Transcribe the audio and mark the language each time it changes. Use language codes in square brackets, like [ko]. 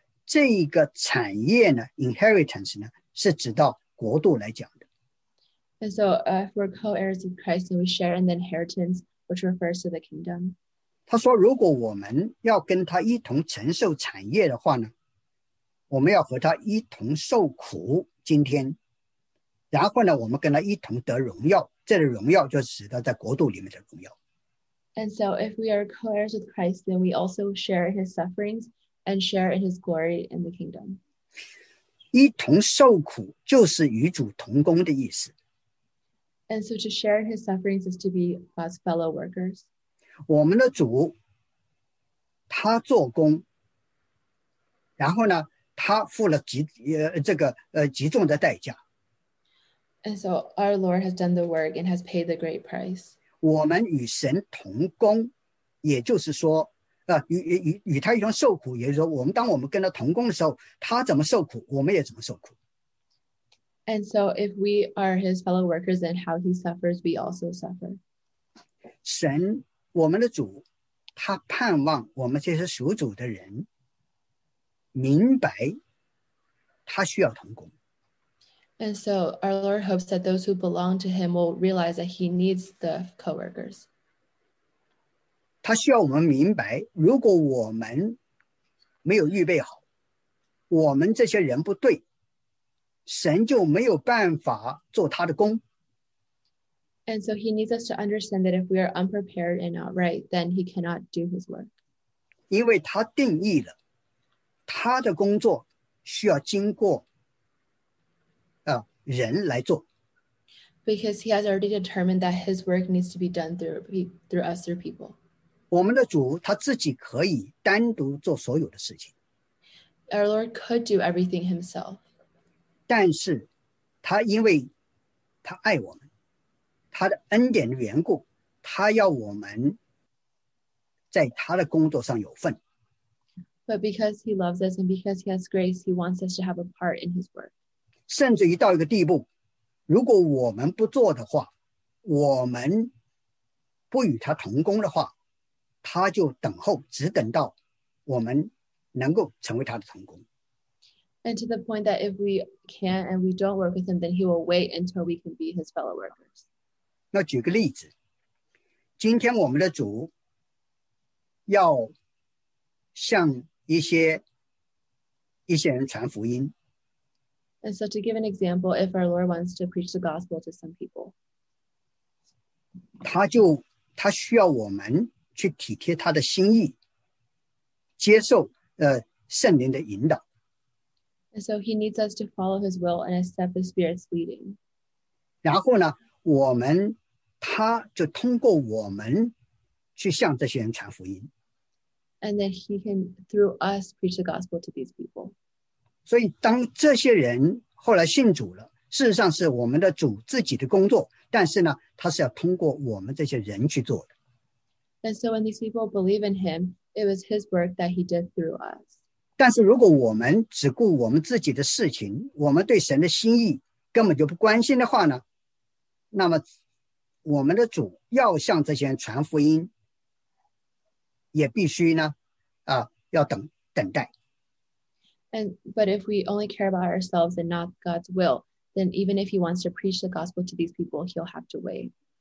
[zh] 这一个产业呢 ，inheritance 呢，是指到国度来讲的。 [en] And so, if we're co-heirs of Christ, and we share in the inheritance, which refers to the kingdom. [zh] 他说，如果我们要跟他一同承受产业的话呢，我们要和他一同受苦，今天，然后呢，我们跟他一同得荣耀。这个荣耀就指到在国度里面的荣耀。 [en] And so, if we are co-heirs with Christ, then we also share his sufferings. And share in his glory in the kingdom. [zh] 一同受苦就是与主同工的意思。 [en] And so to share in his sufferings is to be God's fellow workers. [zh] 我们的主他做工，然后呢他付了极重的代价。 [en] And so our Lord has done the work and has paid the great price. [zh] 我们与神同工，也就是说与他一同受苦，也就是说，我们当我们跟他同工的时候，他怎么受苦，我们也怎么受苦。 [en] And so, if we are his fellow workers, then how he suffers, we also suffer. [zh] 神，我们的主，他盼望我们这些属主的人明白，他需要同工。 [en] And so, our Lord hopes that those who belong to him will realize that he needs the co-workers. [zh] 他需要我们明白，如果我们没有预备好，我们这些人不对。神就没有办法做他的工。 [en] And so he needs us to understand that if we are unprepared and not right, then he cannot do his work. [zh] 因为他定义了，他的工作需要经过人来做。 [en] Because he has already determined that his work needs to be done through us, through people. [zh] 我们的主他自己可以单独做所有的事情。 [en] Our Lord could do everything himself. [zh] 但是他因为他爱我们，他的恩典的缘故，他要我们在他的工作上有份。 [en] But because he loves us and because he has grace, he wants us to have a part in his work. [zh] 甚至于到一个地步，如果我们不做的话，我们不与他同工的话，他就等候，只等到我们能够成为他的同工。 [en] And to the point that if we can't and we don't work with him, then he will wait until we can be his fellow workers. [zh] 那举个例子，今天我们的主要向一些人传福音。 [en] And so to give an example, if our Lord wants to preach the gospel to some people, [zh] 他需要我们去体贴他的心意，接受圣灵的引导。 [en] And so he needs us to follow his will and accept the Spirit's leading. [zh] 然后呢，他就通过我们去向这些人传福音。 [en] And then he can, through us, preach the gospel to these people. [zh] 所以当这些人后来信主了，事实上是我们的主自己的工作，但是呢，他是要通过我们这些人去做的。 [en] And so when these people believe in him, it was his work that he did through us. [zh] 但是如果我们只顾我们自己的事情，我们对神的心意根本就不关心的话呢，那么我们的主要向这些人传福音也必须呢要等待。 [en] But if we only care about ourselves and not God's will, then even if he wants to preach the gospel to these people, he'll have to wait.